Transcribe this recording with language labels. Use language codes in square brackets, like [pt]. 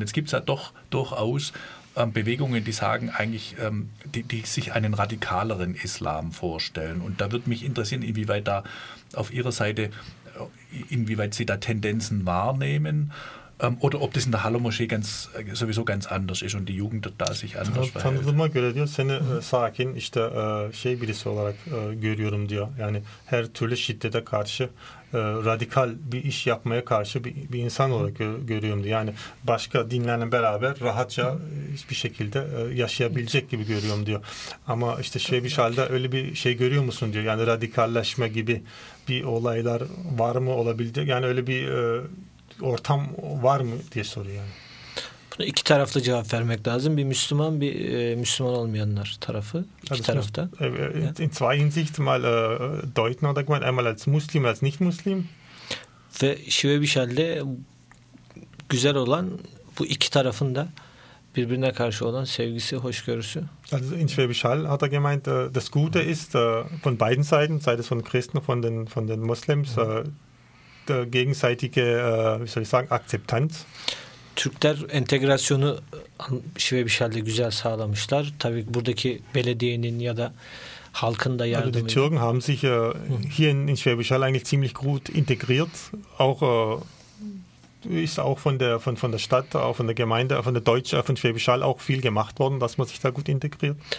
[de] Jetzt gibt es ja doch durchaus Bewegungen, die sagen eigentlich, die sich einen radikaleren Islam vorstellen. Und da würde mich interessieren, inwieweit da auf Ihrer Seite, inwieweit Sie da Tendenzen wahrnehmen Oder ob das in der Haller Moschee ganz, sowieso ganz anders ist und die Jugend dort da sich anders verhält. [tr] Tanıdığıma göre diyor, seni sakin, işte şey birisi olarak görüyorum diyor. Yani her türlü şiddete karşı, radikal bir iş yapmaya karşı bir insan olarak görüyorum diyor. Yani başka dinlerle beraber rahatça hiçbir şekilde yaşayabilecek gibi görüyorum diyor. Ama işte şey bir halde öyle bir şey görüyor musun diyor. Yani radikalleşme gibi bir olaylar var mı olabildi? Yani öyle bir ortam var mı diye soruyor yani. Bunu iki taraflı cevap vermek lazım. Bir Müslüman, bir Müslüman olmayanlar tarafı. İki tarafta. [de] In zwei Hinsicht mal deuten oder gemeint, einmal als Muslim, als nicht Muslim. [tr] Ve şöyle bir şekilde güzel olan bu iki tarafın da birbirine karşı olan sevgisi, hoşgörüsü. [de] Also in Schwäbisch Hall hat gemeint, das Gute ist von beiden Seiten, sei es von Christen, von den Muslims, gegenseitige, wie soll ich sagen, Akzeptanz. [tr] Türkler entegrasyonu Şivebişal'de güzel sağlamışlar. Tabii buradaki belediyenin ya da halkın da yardımı. [de] Also die Türken haben sich hier in Schwäbisch Hall eigentlich ziemlich gut integriert. Auch ist auch von der Stadt, auch von der Gemeinde, von der Deutsche, von Schwäbisch Hall auch viel gemacht worden, dass man sich da gut integriert.